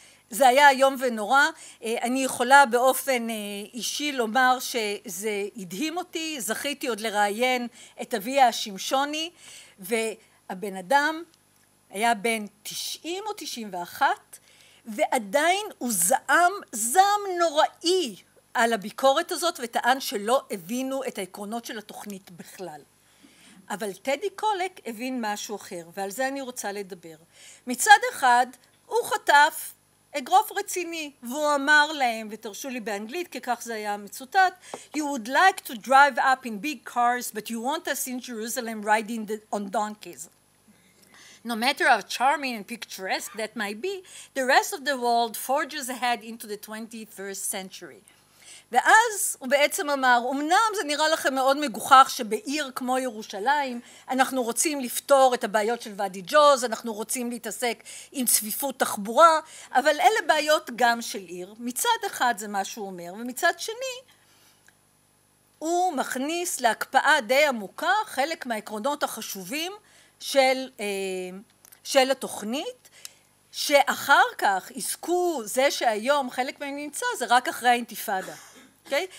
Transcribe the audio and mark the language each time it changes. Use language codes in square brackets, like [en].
[he] זה היה יום ונורא, אני יכולה באופן אישי לומר שזה הדהים אותי, זכיתי עוד לראיין את אביה השמשוני, והבן אדם היה בן 90 או 91, ועדיין הוא זעם נוראי, על הביקורת הזאת וטען שלא הבינו את העקרונות של התוכנית בכלל. אבל טדי קולק הבין משהו אחר, ועל זה אני רוצה לדבר. מצד אחד, הוא חטף אגרוף רציני, והוא אמר להם, ותרשו לי באנגלית, כי כך זה היה מצוטט, [en] "You would like to drive up in big cars, but you want us in Jerusalem riding on donkeys. No matter how charming and picturesque that might be, the rest of the world forges ahead into the 21st century." [he] ואז הוא בעצם אמר, אמנם זה נראה לכם מאוד מגוחך שבעיר כמו ירושלים אנחנו רוצים לפתור את הבעיות של ואדי ג'וז, אנחנו רוצים להתעסק עם צפיפות תחבורה, אבל אלה בעיות גם של עיר. מצד אחד זה מה שהוא אומר, ומצד שני הוא מכניס להקפאה די עמוקה חלק מהעקרונות החשובים של התוכנית, שאחר כך עסקו זה שהיום חלק מהם נמצא זה רק אחרי האינטיפאדה. Okay?